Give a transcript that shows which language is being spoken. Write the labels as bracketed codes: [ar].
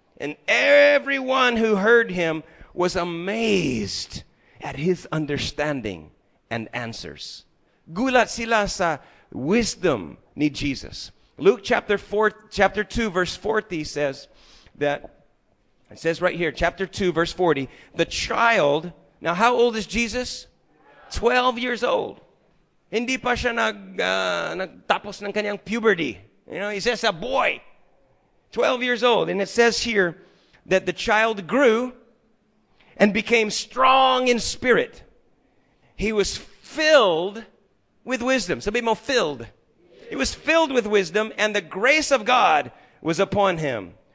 [en] And everyone who heard him was amazed at his understanding and answers. [tl] Gulat sila sa wisdom ni Jesus. [en] Luke chapter 2, verse 40 says that, it says right here, chapter 2, verse 40, the child, now how old is Jesus? 12 years old. [tl] Hindi pa siya nagtapos ng kanyang puberty. [en] You know, he says a boy, 12 years old. And it says here that the child grew and became strong in spirit. He was filled with wisdom. [tl] Sabi mo, [en] filled. He was filled with wisdom, and the grace of God was upon him.